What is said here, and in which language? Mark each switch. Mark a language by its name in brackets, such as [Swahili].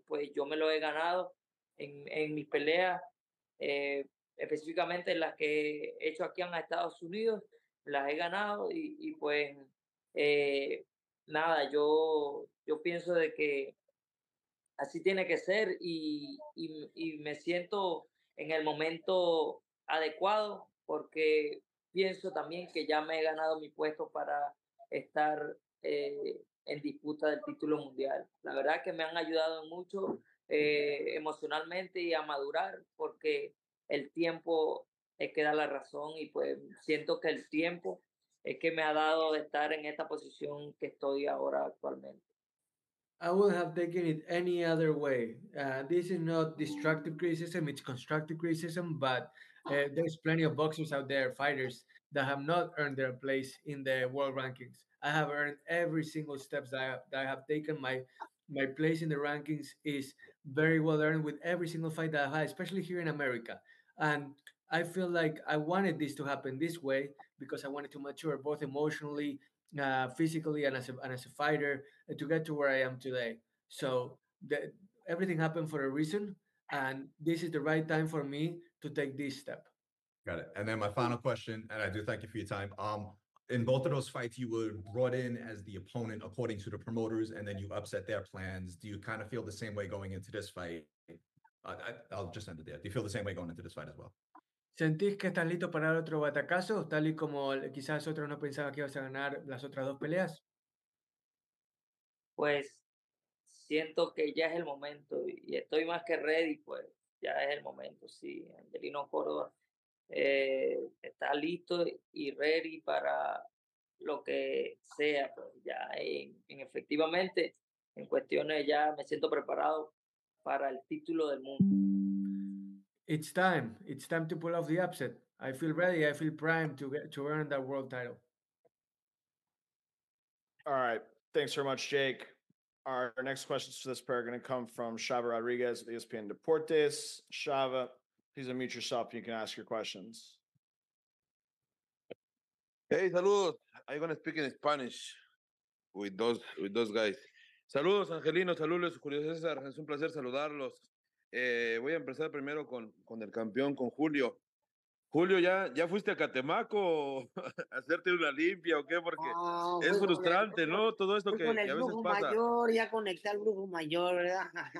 [Spanish] Pues yo me lo he ganado en mis peleas, específicamente las que he hecho aquí en Estados Unidos, las he ganado y pues nada, yo pienso de que así tiene que ser y me siento en el momento adecuado porque pienso también que ya me he ganado mi puesto para estar en disputa del título mundial. La verdad que me han ayudado mucho emocionalmente y a madurar, porque el tiempo es que da la razón y pues siento que el tiempo es que me ha dado de estar en esta posición que estoy ahora actualmente. [English] I would have taken it any other way. This is not destructive criticism, it's constructive criticism, but there's plenty of boxers out there, fighters, that have not earned their place in the world rankings. I have earned every single step that I have taken. My place in the rankings is very well earned with every single fight that I've had, especially here in America. And I feel like I wanted this to happen this way because I wanted to mature both emotionally, physically, and as a fighter to get to where I am today. So everything happened for a reason, and this is the right time for me to take this step. Got it. And then my final question, and I do thank you for your time. In both of those fights, you were brought in as the opponent according to the promoters, and then you upset their plans. Do you kind of feel the same way going into this fight? I'll just end it there. Do you feel the same way going into this fight as well? [Spanish] ¿Sentís que estás listo para dar otro batacazo, tal y como quizás otros no pensaban que ibas a ganar las otras dos peleas? Pues siento que ya es el momento y estoy más que ready, pues ya es el momento, sí, Angelino Córdoba. Está listo y ready para lo que sea, pues ya en efectivamente, en cuestiones ya me siento preparado para el título del mundo. [English] It's time. It's time to pull off the upset. I feel ready. I feel primed to earn that world title. All right. Thanks very much, Jake. Our next questions for this pair are going to come from Shava Rodriguez at ESPN Deportes. Shava, please unmute yourself. You can ask your questions. [Spanish] Hey, saludos. [English] I'm going to speak in Spanish with those guys. [Spanish] Saludos, Angelino. Saludos, Julio César. Es un placer saludarlos. Voy a empezar primero con el campeón, con Julio. Julio, ¿ya fuiste a Catemaco a hacerte una limpia o qué? Porque oh, es frustrante, ¿no? Todo esto que a veces pasa. Con el brujo mayor, ya conecté al brujo mayor, ¿verdad?